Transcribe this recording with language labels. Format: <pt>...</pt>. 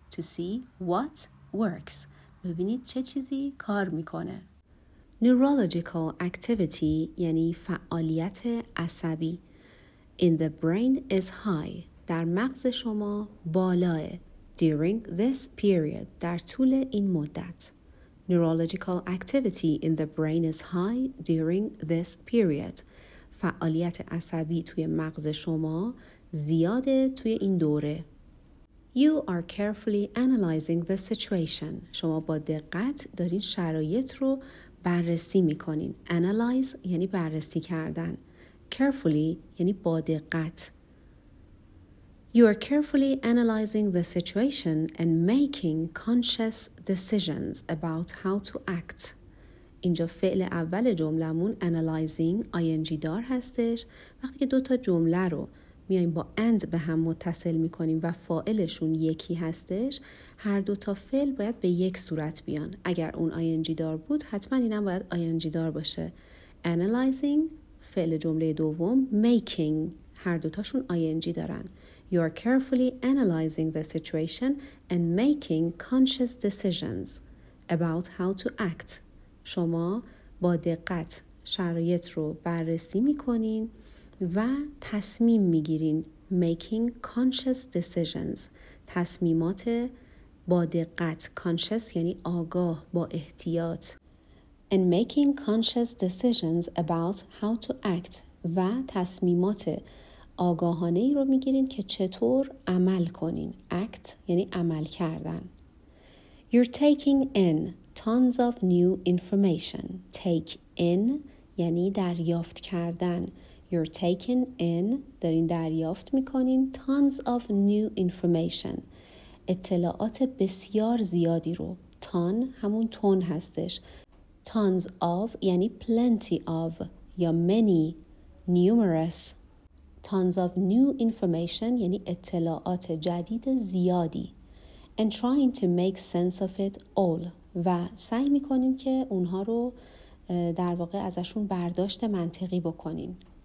<en>To see what works،</en> <fa>ببینید چه چیزی کار میکنه.</fa> <en>Neurological activity</en> <fa>یعنی فعالیت عصبی.</fa> <en>In the brain is high،</en> <fa>در مغز شما بالاست.</fa> <en>During this period,</en> <fa>در طول این مدت.</fa> <en>Neurological activity in the brain is high during this period.</en> <fa>فعالیت عصبی توی مغز شما زیاده توی این دوره.</fa> <en>You are carefully analyzing the situation.</en> <fa>شما با دقت دارین شرایط رو بررسی میکنین. Analyze یعنی بررسی کردن. Carefully یعنی با دقت.</fa> <en>You are carefully analyzing the situation and making conscious decisions about how to act.</en> <fa>اینجا فعل اول جملمون analyzing ing دار هستش. وقتی که دو تا جمله رو میایم با and به هم متصل میکنیم و فاعلشون یکی هستش، هر دو تا فعل باید به یک صورت بیان. اگر اون ing دار بود حتما اینم باید ing دار باشه. Analyzing فعل جمله دوم، making هر دو تاشون ing دارن.</fa> <en>You are carefully analyzing the situation and making conscious decisions about how to act.</en> <fa>شما با دقت شرایط رو بررسی میکنین و تصمیم میگیرین.</fa> <en>Making conscious decisions.</en> <fa>تصمیمات با دقت. Conscious یعنی آگاه، با احتیاط.</fa> <en>And making conscious decisions about how to act.</en> <fa>و تصمیمات آگاهانه ای رو میگیرین که چطور عمل کنین.</fa> <en>Act</en> <fa>یعنی عمل کردن.</fa> <en>You're taking in tons of new information.</en> <fa>Take in یعنی دریافت کردن.</fa> <en>You're taking in،</en> <fa>دارین دریافت میکنین،</fa> <en>tons of new information،</en> <fa>اطلاعات بسیار زیادی رو. Ton همون تون هستش. Tons of یعنی plenty of یا many، numerous.</fa> <en>Tons of new information</en> <fa>یعنی اطلاعات جدید زیادی.</fa> <en>And trying to make sense of it all.</en> <fa>و سعی میکنین که اونها رو در واقع ازشون برداشت منطقی بکنین.</fa>